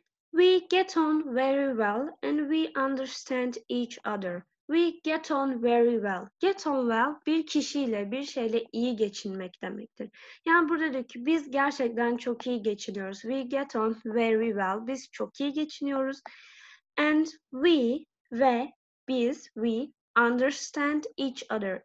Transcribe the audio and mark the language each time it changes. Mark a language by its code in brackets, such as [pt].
[en] We get on very well and we understand each other. We get on very well. [tr] Get on well, bir kişiyle, bir şeyle iyi geçinmek demektir. Yani burada diyor ki biz gerçekten çok iyi geçiniyoruz. [en] We get on very well. [tr] Biz çok iyi geçiniyoruz. [en] And we [tr] ve biz, [en] we understand each other.